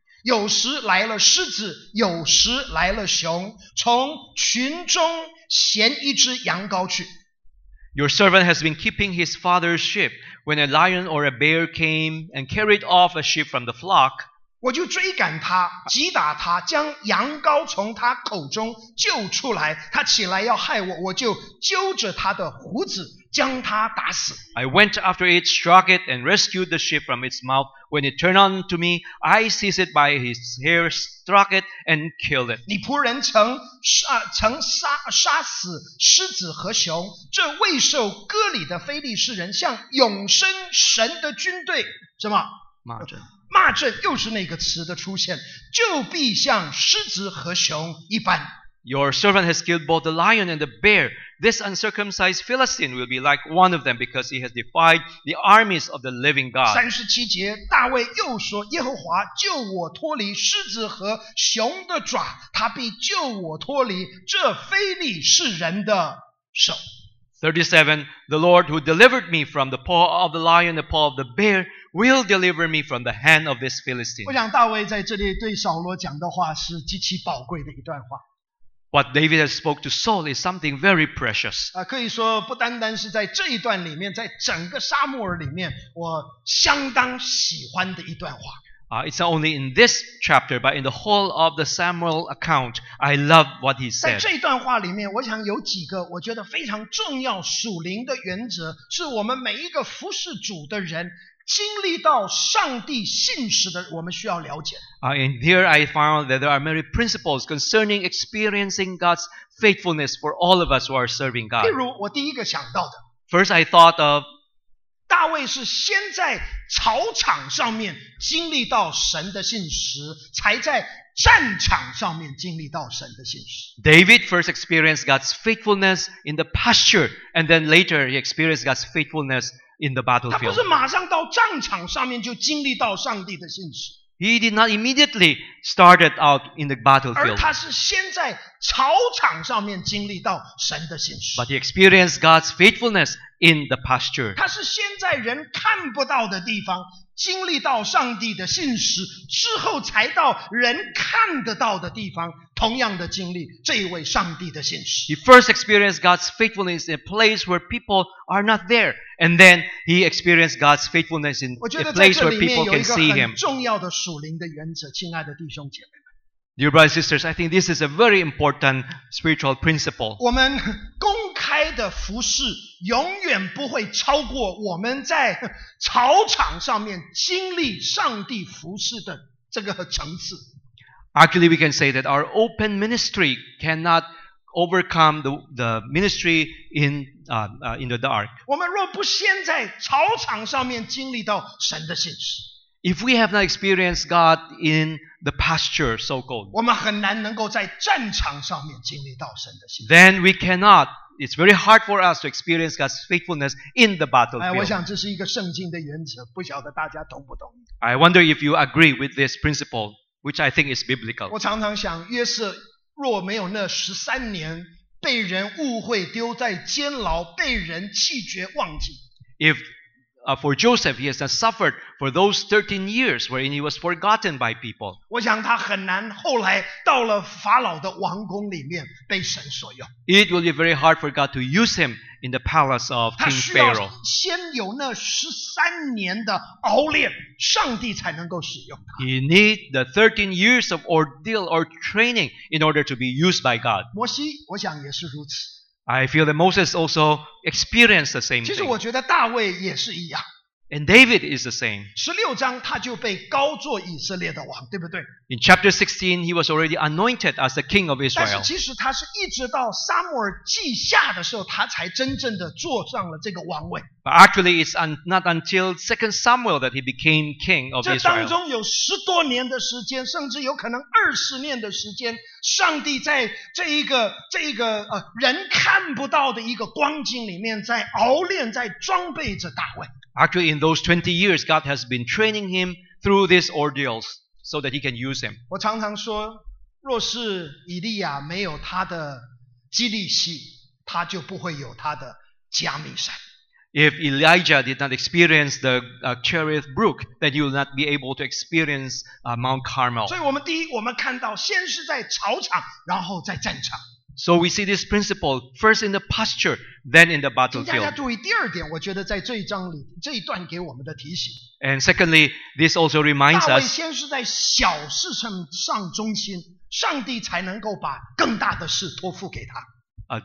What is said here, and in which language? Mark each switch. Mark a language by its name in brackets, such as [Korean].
[Chinese] 有时来了狮子，有时来了熊，从群中衔一只羊羔去。 [English] Your servant has been keeping his father's sheep. When a lion or a bear came and carried off a sheep from the flock, [Chinese] 我就追赶他，击打他，将羊羔从他口中救出来。他起来要害我，我就揪着他的胡子，将它打死。 [English] I went after it, struck it, and rescued the ship from its mouth. When it turned on to me, I seized it by his hair, struck it, and killed it. [Chinese] 你仆人曾杀死狮子和熊，这未受割礼的非利士人向永生神的军队什么？骂阵。骂阵又是那个词的出现，就必像狮子和熊一般。 [English] Your servant has killed both the lion and the bear. This uncircumcised Philistine will be like one of them because he has defied the armies of the living God. [Chinese] 37节，大卫又说，耶和华救我脱离狮子和熊的爪，他必救我脱离这非利士人的手。 [English] 37, the Lord who delivered me from the paw of the lion, the paw of the bear, will deliver me from the hand of this Philistine. [Chinese] 我想大卫在这里对扫罗讲的话是极其宝贵的一段话。 [English] What David has spoke to Saul is something very precious. [Chinese] 可以说不单单是在这一段里面，在整个撒母耳里面，我相当喜欢的一段话。 [English] It's not only in this chapter, but in the whole of the Samuel account, I love what he said. [Chinese] 在这段话里面，我想有几个我觉得非常重要属灵的原则，是我们每一个服侍主的人经历到上帝信实的，我们需要了解。 [English] And here I found that there are many principles concerning experiencing God's faithfulness for all of us who are serving God. [Chinese] 譬如我第一个想到的。 [English] First I thought of. [Chinese] 大卫是先在草场上面经历到神的信实，才在战场上面经历到神的信实。 [English] David first experienced God's faithfulness in the pasture, and then later he experienced God's faithfulness. In the battlefield. [Chinese] 他不是马上到战场上面就经历到上帝的信实。 [English] He did not immediately start out in the battlefield. [Chinese] 而他是先在草场上面经历到神的信实。 [English] But he experienced God's faithfulness in the pasture. [Chinese] 他是先在人看不到的地方经历到上帝的信实，之后才到人看得到的地方，同样的经历这一位上帝的信实。 [English] He first experienced God's faithfulness in a place where people are not there. And then he experienced God's faithfulness in a place where people can see him. [Chinese] 重要的属灵的原则，亲爱的弟兄姐妹们。 [English] Dear brothers and sisters, I think this is a very important spiritual principle. [Chinese] 我们公开的服事永远不会超过我们在草场上面经历上帝服事的这个层次。 [English] Actually, we can say that our open ministry cannot overcome the ministry in the dark. [Chinese] 我们若不先在草场上面经历到神的信实， [English] if we have not experienced God in the pasture, so called, [Chinese] 我们很难能够在战场上面经历到神的信实。 [English] Then we cannot. It's very hard for us to experience God's faithfulness in the battlefield. [Chinese] 我想这是一个圣经的原则，不晓得大家懂不懂。 [English] I wonder if you agree with this principle, which I think is biblical. [Chinese] 我常常想，约瑟若没有那13年被人误会丢在监牢被人弃绝忘记。 [English] If, for Joseph, he has not suffered for those 13 years wherein he was forgotten by people. [Chinese] 我想他很难后来到了法老的王宫里面被神所用。 [English] It will be very hard for God to use him in the palace of King Pharaoh. [Chinese] 他需要先有那13年的熬炼，上帝才能够使用他。 [English] He need the 13 years of ordeal or training in order to be used by God. [Chinese] 摩西，我想也是如此。 [English] I feel that Moses also experienced the same thing. [Chinese] 其实我觉得大卫也是一样。 [English] And David is the same. [Chinese] 16章他就被高作以色列的王，对不对？ [English] In chapter 16, he was already anointed as the king of Israel. [Chinese] 但是其实他是一直到撒母耳记下的时候，他才真正的坐上了这个王位。 [English] But actually, it's not until 2 Samuel that he became king of Israel. [Chinese] 这当中有十多年的时间，甚至有可能20年的时间，上帝在这一个人看不到的一个光景里面，在熬炼，在装备着大卫。 [English] Actually, in those 20 years, God has been training him through these ordeals so that he can use him. [Chinese] 我常常说，若是以利亚没有他的基利洗，他就不会有他的加密山。 [English] If Elijah did not experience the Cherith Brook, then he will not be able to experience Mount Carmel. [Chinese] 所以我们第一，我们看到先是在草场，然后在战场。 [English] So we see this principle first in the pasture, then in the battlefield. [Chinese] 大家注意第二点，我觉得在这一章里这一段给我们的提醒。 [English] And secondly, this also reminds us. [Chinese] 大卫先是在小事上忠心，上帝才能够把更大的事托付给他。